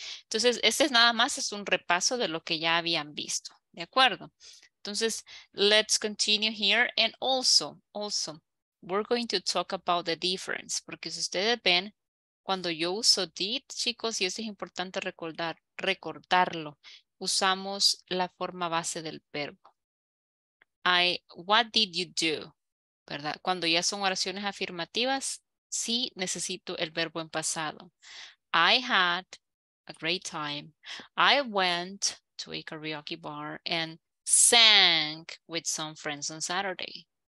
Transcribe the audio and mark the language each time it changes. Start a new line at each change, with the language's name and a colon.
Spanish: Entonces, este es nada más es un repaso de lo que ya habían visto. ¿De acuerdo? Entonces,
English: let's continue here. And also, we're going to talk about the difference.
Spanish: Porque si ustedes ven, cuando yo uso did, chicos, y esto es importante recordarlo, usamos la forma base del verbo.
English: What did you do? ¿Verdad?
Spanish: Cuando ya son oraciones afirmativas, sí necesito el verbo en pasado.
English: I had a great time. I went to a karaoke bar and sang with some friends on Saturday.